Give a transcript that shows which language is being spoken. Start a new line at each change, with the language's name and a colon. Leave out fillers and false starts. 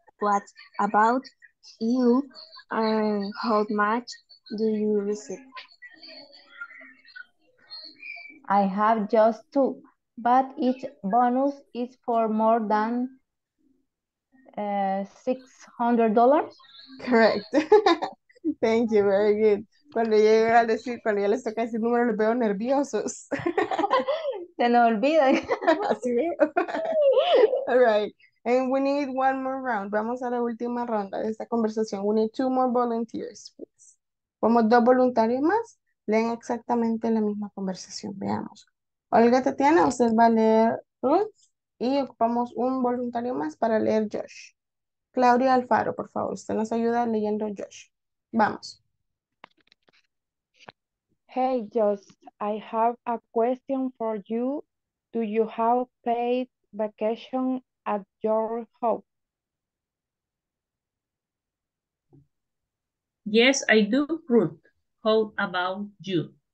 English: What about you? How much do you receive? I have just two, but each bonus is for more than $600. Correct. Thank you, very good.
Spanish: Cuando llegué a decir, cuando ya les toca ese número, los veo nerviosos. Se nos olvida. Así veo.
English: All right. And we need one more round.
Spanish: Vamos a la última ronda de esta conversación.
English: We need two more volunteers, please.
Spanish: Como dos voluntarios más, leen exactamente la misma conversación. Veamos. Olga Tatiana, usted va a leer Ruth. Y ocupamos un voluntario más para leer Josh. Claudia Alfaro, por favor, usted nos ayuda leyendo Josh. Vamos.
English: Hey, Josh, I have a question for you. Do you have paid vacation at your home? Yes, I do, Ruth. How about you?